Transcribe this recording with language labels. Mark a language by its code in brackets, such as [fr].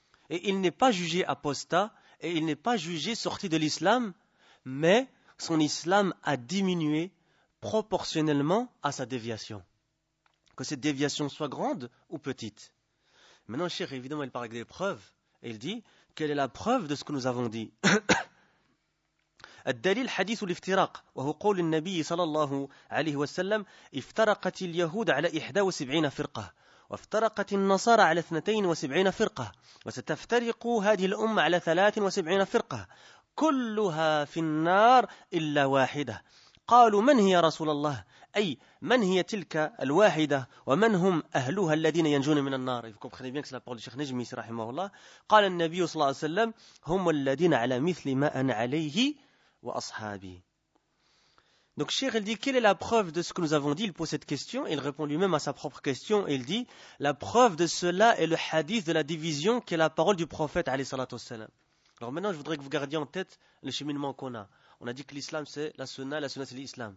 [fr] Et il n'est pas jugé apostat et il n'est pas jugé sorti de l'islam, mais son islam a diminué proportionnellement à sa déviation. Que cette déviation soit grande ou petite. Maintenant, cher, évidemment, il parle avec des preuves. Et il dit, quelle est la preuve de ce que nous avons dit? [ar] الدليل حديث الافتراق وهو قول النبي صلى الله عليه وسلم افترقت اليهود على 71 فرقة وافترقت النصارى على 72 فرقة وستفترق هذه الأمة على 73 فرقة كلها في النار إلا واحدة قالوا من هي رسول الله أي من هي تلك الواحدة ومن هم أهلها الذين ينجون من النار رحمه الله قال النبي صلى الله عليه وسلم هم الذين على مثل ما أنا عليه. [fr] Donc, Cheikh, il dit, quelle est la preuve de ce que nous avons dit? Il pose cette question, il répond lui-même à sa propre question, et il dit, la preuve de cela est le hadith de la division qui est la parole du prophète, alayhi salatu wassalam. Alors maintenant, je voudrais que vous gardiez en tête le cheminement qu'on a. On a dit que l'islam, c'est la sunna, c'est l'islam.